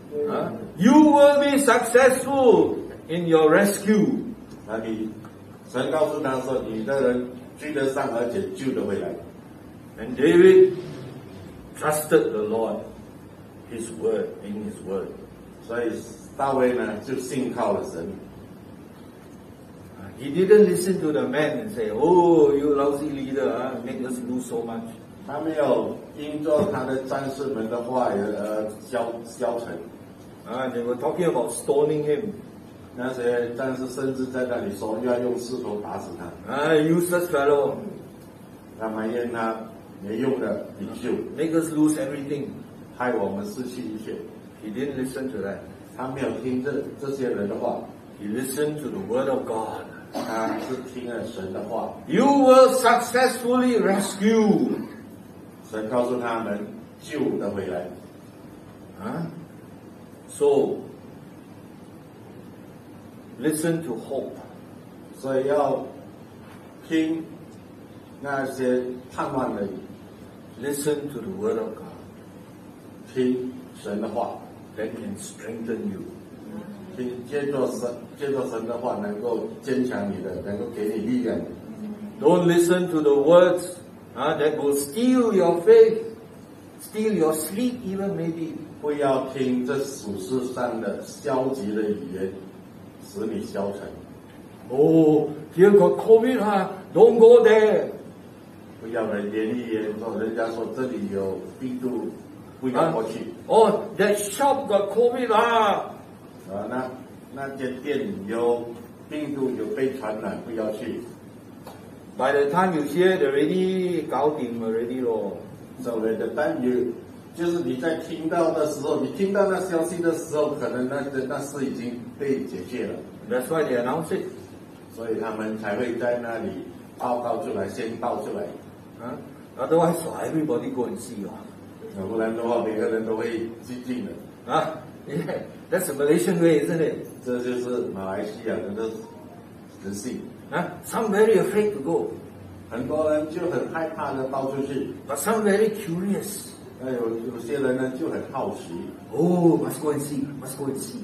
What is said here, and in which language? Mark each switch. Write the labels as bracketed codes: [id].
[en] 啊 ，You will be successful in your rescue。 [zh] 那你，神告诉他说，你的人追得上，而且救得回来。 [en] And David trusted the Lord, His word in His word。 [zh] 所以大卫呢，就信靠了神。 [en] He didn't listen to the man and say, "Oh, you lousy leader, make us lose so much." [zh] 他没有听着他的战士们的话而消沉。 [en] They were talking about stoning him. [zh] 那些战士甚至在那里说要用石头打死他。 [en] Useless fellow. [zh] 他埋怨他没用的领袖。 [en] Make us lose everything. [zh] 害我们失去一切。 [en] He didn't listen to that. [zh] 他没有听这些人的话。 [en] He listened to the word of God. [zh] 他是听了神的话。 [en] You will successfully rescue. [zh] 神告诉他们救得回来。 [en] So, listen to hope. [zh] 所以要听那些盼望的语。 [en] Listen to the word of God. [zh] 听神的话。 [en] That can strengthen you. [zh] 借着神的话能够坚强你的，能够给你力量。 [en] Don't listen to the words that will steal your faith, steal your sleep even maybe. [zh] 不要听这俗世上的消极的语言，使你消沉。 [en] Oh, here got COVID, don't go there. [zh] 不要人言语言，说人家说这里有病毒。不要过去。 [en] That shop got COVID 啦。 [zh] 那间店有病毒，有被传染，不要去。 [en] By the time you hear, they already [zh] 搞定 [en] already 咯。 So by the time you， [zh] 就是你在听到的时候，你听到那消息的时候，可能那事已经被解决了。 [en] That's why they announce it。 [zh] 所以他们才会在那里报告出来，先报出来。 [en] Otherwise, so everybody go and see 啊。 [zh] 不然的话，每个人都会寂静的。 [en] That's a Malaysian way, isn't it? [zh] 这就是马来西亚人的人性。 [en] Some very afraid to go. [zh] 很多人就很害怕的到处去。 [en] But some very curious. [zh] 有些人呢就很好奇。 [en] Oh, must go and see, must go and see.